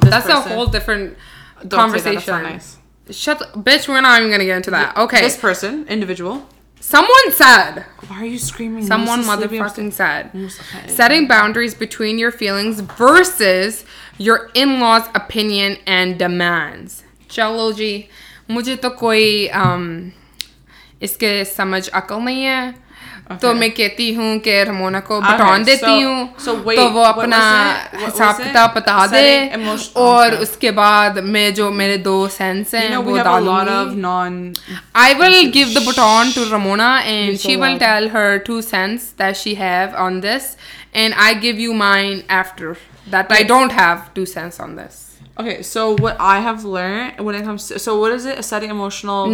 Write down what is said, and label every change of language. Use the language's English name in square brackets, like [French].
[English] That's a whole different conversation. Don't say that. That's not nice. Bitch, we're not even gonna get into that. Okay. This person, individual. Someone said. Why are you screaming? Someone motherfucking said. Setting boundaries between your feelings versus your in-laws' opinion and demands. [Hindi] चलो जी, मुझे तो कोई इसके समझ अकल नहीं है तो मैं कहती हु के रमोना को बताऊं देती हु तो वो अपना हिसाब किताब बता दे और उसके बाद मैं जो मेरे दो सेंस हैं वो dalungi. [English] I will give the baton to Ramona and she will tell her two cents that she have on this, and I give you mine after that. I don't have two cents on this. Okay, so what I have learned when it comes to... So what is it? Setting emotional